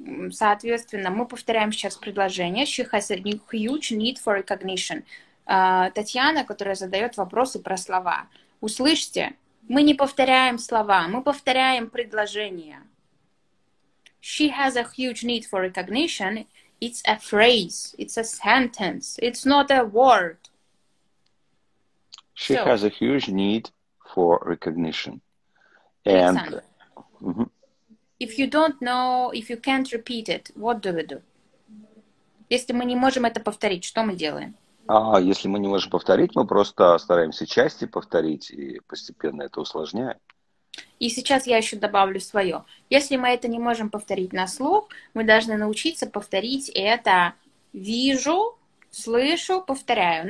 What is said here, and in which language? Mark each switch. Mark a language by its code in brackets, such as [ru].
[ru] Соответственно, мы повторяем сейчас предложение. [en] She has a huge need for recognition. [ru] Татьяна, которая задает вопросы про слова. Услышьте, мы не повторяем слова, мы повторяем предложение. [en] She has a huge need for recognition. It's a phrase, it's a sentence, it's not a word. She has a huge need for recognition. And if you don't know, if you can't repeat it, what do we do? [ru] Если мы не можем это повторить, что мы делаем? А если мы не можем повторить, мы просто стараемся части повторить и постепенно это усложняем. И сейчас я еще добавлю свое. Если мы это не можем повторить на слух, мы должны научиться повторить это вижу, слышу, повторяю.